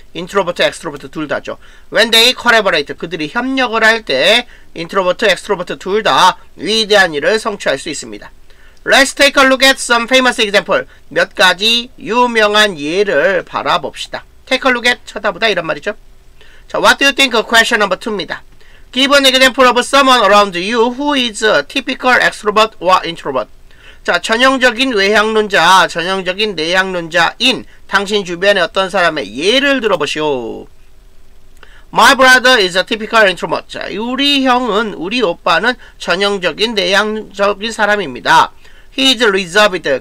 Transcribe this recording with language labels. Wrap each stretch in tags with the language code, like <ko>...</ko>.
<ko>introvert, extrovert 둘 다죠.</ko> <en>when they collaborate,</en> <ko>그들이 협력을 할 때 introvert, extrovert 둘 다 위대한 일을 성취할 수 있습니다.</ko> <en>Let's take a look at some famous example.</en> <ko>몇 가지 유명한 예를 바라봅시다. Take a look at, 쳐다보다 이런 말이죠. 자,</ko> <en>what do you think? Question number 2</en> <ko>입니다.</ko> <en>Give an example of someone around you who is a typical extrovert or introvert.</en> <ko>자, 전형적인 외향론자, 전형적인 내향론자인 당신 주변의 어떤 사람의 예를 들어보시오.</ko> <en>My brother is a typical introvert.</en> <ko>자, 우리 형은, 우리 오빠는 전형적인 내향적인 사람입니다.</ko> <en>He is reserved.</en>